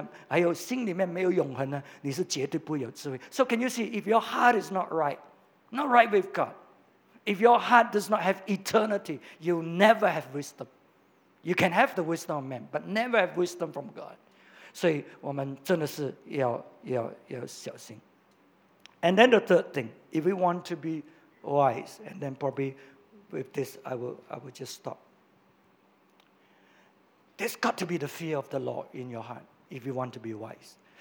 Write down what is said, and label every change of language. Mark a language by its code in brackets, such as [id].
[zh] 可是如果你要永恒，你知道你时间不多了，那你就会要之前因为要为家啦，为孩子啦，为要赚钱啦，没有时间啦，你现在还不补回来吗？现在就只是想到旅游，想到去玩吗？你看这个一错啊，你心里面不对呢，还有心里面没有永恒呢，你是绝对不会有智慧。 [en] So can you see if your heart is not right, not right with God? If your heart does not have eternity, you'll never have wisdom. You can have the wisdom of man, but never have wisdom from God. [zh] 所以我们真的是要小心。 [en] And then the third thing, if we want to be wise, and then probably with this, I will just stop. There's got to be the fear of the Lord in your heart if you want to be wise.